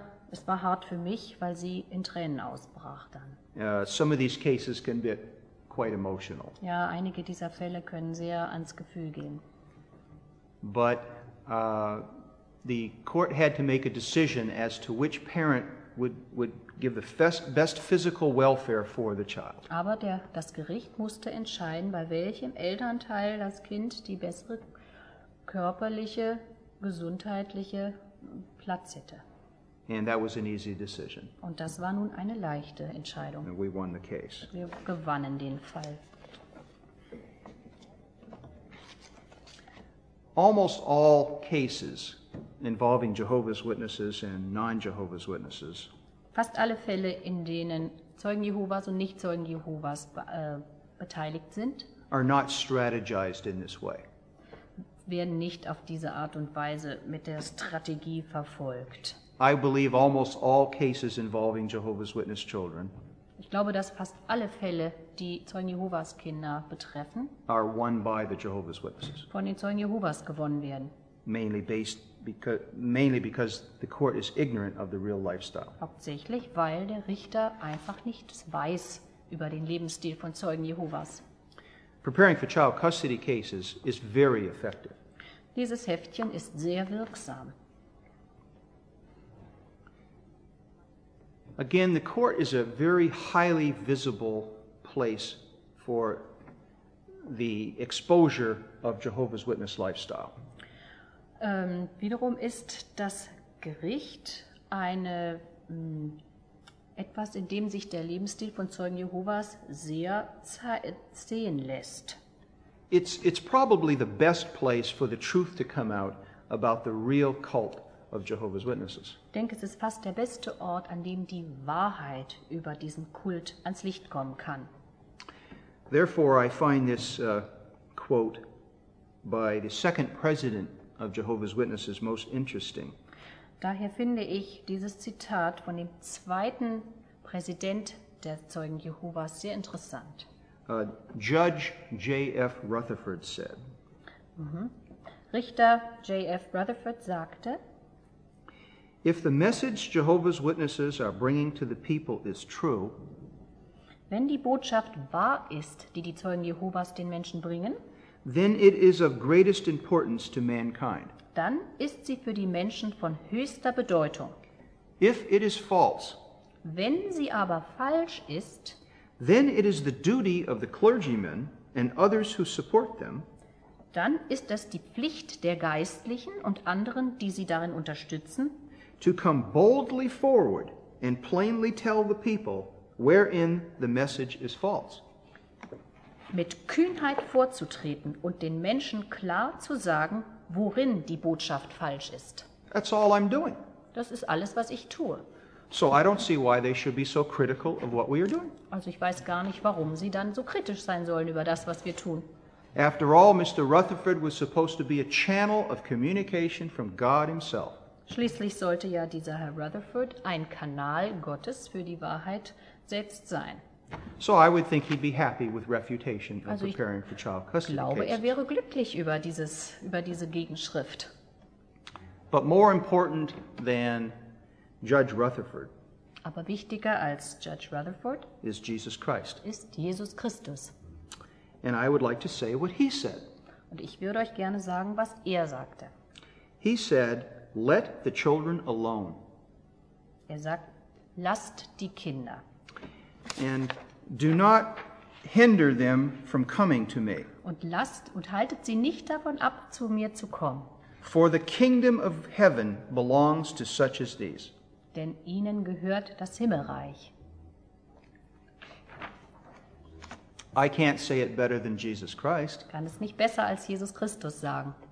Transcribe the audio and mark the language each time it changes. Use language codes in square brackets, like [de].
[de] Es war hart für mich, weil sie in Tränen ausbrach dann. [en] Some of these cases can be quite emotional. [de] Ja, einige dieser Fälle können sehr ans Gefühl gehen. [en] But the court had to make a decision as to which parent would give the best physical welfare for the child. [de] Aber das Gericht musste entscheiden, bei welchem Elternteil das Kind die bessere körperliche, gesundheitliche Platz hätte. [en] And that was an easy decision. [de] Und das war nun eine leichte Entscheidung. [en] And we won the case. [de] Wir gewannen den Fall. [en] Almost all cases involving Jehovah's Witnesses and non-Jehovah's Witnesses. [de] Fast alle Fälle, in denen Zeugen Jehovas und Nichtzeugen Jehovas beteiligt sind, [en] are not strategized in this way. [de] Werden nicht auf diese Art und Weise mit der Strategie verfolgt. [en] I believe almost all cases involving Jehovah's Witness children. [de] Ich glaube, dass fast alle Fälle, die Zeugen Jehovas Kinder betreffen, [en] are won by the Jehovah's Witnesses. [de] Von den Zeugen Jehovas gewonnen werden. [en] Mainly because the court is ignorant of the real lifestyle. [de] Hauptsächlich, weil der Richter einfach nichts weiß über den Lebensstil von Zeugen Jehovas. [en] Preparing for child custody cases is very effective. [de] Dieses Heftchen ist sehr wirksam. [en] Again, the court is a very highly visible place for the exposure of Jehovah's Witness lifestyle. [de] Wiederum ist das Gericht eine etwas, in dem sich der Lebensstil von Zeugen Jehovas sehr sehen lässt. [en] It's probably the best place for the truth to come out about the real cult of Jehovah's Witnesses. [de] Ich denke, es ist fast der beste Ort, an dem die Wahrheit über diesen Kult ans Licht kommen kann. [en] Therefore, I find this quote by the second president of Jehovah's Witnesses most interesting. [de] Daher finde ich dieses Zitat von dem zweiten Präsident der Zeugen Jehovas sehr interessant. [en] Judge J.F. Rutherford said. [de] Mm-hmm. Richter J.F. Rutherford sagte, [en] if the message Jehovah's Witnesses are bringing to the people is true, [de] wenn die Botschaft wahr ist, die die Zeugen Jehovas den Menschen bringen, [en] then it is of greatest importance to mankind. [de] Dann ist sie für die Menschen von höchster Bedeutung. [en] If it is false, [de] wenn sie aber falsch ist, [en] then it is the duty of the clergymen and others who support them, [de] dann ist es die Pflicht der Geistlichen und anderen, die sie darin unterstützen, [en] to come boldly forward and plainly tell the people wherein the message is false. [de] Mit Kühnheit vorzutreten und den Menschen klar zu sagen, worin die Botschaft falsch ist. [en] That's all I'm doing. [de] Das ist alles, was ich tue. [en] So I don't see why they should be so critical of what we are doing. [de] Also ich weiß gar nicht, warum sie dann so kritisch sein sollen über das, was wir tun. [en] After all, Mr. Rutherford was supposed to be a channel of communication from God himself. [de] Schließlich sollte ja dieser Herr Rutherford ein Kanal Gottes für die Wahrheit selbst sein. [en] So I would think he'd be happy with refutation of preparing for child custody cases. [de] Ich glaube, er wäre glücklich über dieses, über diese Gegenschrift. [en] But more important than Judge Rutherford, [de] aber wichtiger als Judge Rutherford, [en] is Jesus Christ. [de] Ist Jesus Christus. [en] And I would like to say what he said. [de] Und ich würde euch gerne sagen, was er sagte. [en] He said, let the children alone. [de] Er sagt, lasst die Kinder. [en] And do not hinder them from coming to me. [de] Und lasst und haltet sie nicht davon ab, zu mir zu kommen. [en] For the kingdom of heaven belongs to such as these. [de] Denn ihnen gehört das Himmelreich. [en] I can't say it better than Jesus Christ. [de] Kann es nicht besser als Jesus Christus sagen.